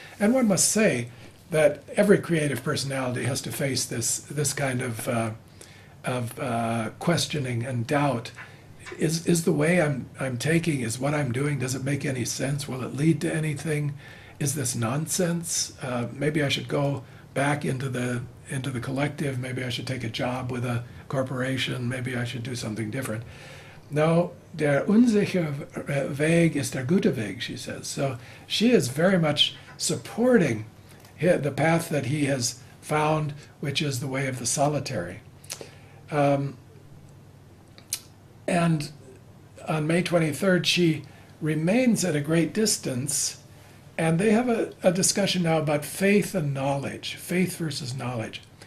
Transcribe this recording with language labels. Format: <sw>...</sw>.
<en>And one must say that every creative personality has to face this kind of questioning and doubt. Is the way I'm taking, is what I'm doing, does it make any sense? Will it lead to anything? Is this nonsense? Maybe I should go back into the collective. Maybe I should take a job with a corporation. Maybe I should do something different.</en> <de>No, der unsichere Weg ist der gute Weg,</de> <en>she says. So she is very much supporting the path that he has found, which is the way of the solitary. And on May 23rd, she remains at a great distance, and they have a discussion now about faith and knowledge, faith versus knowledge.</en>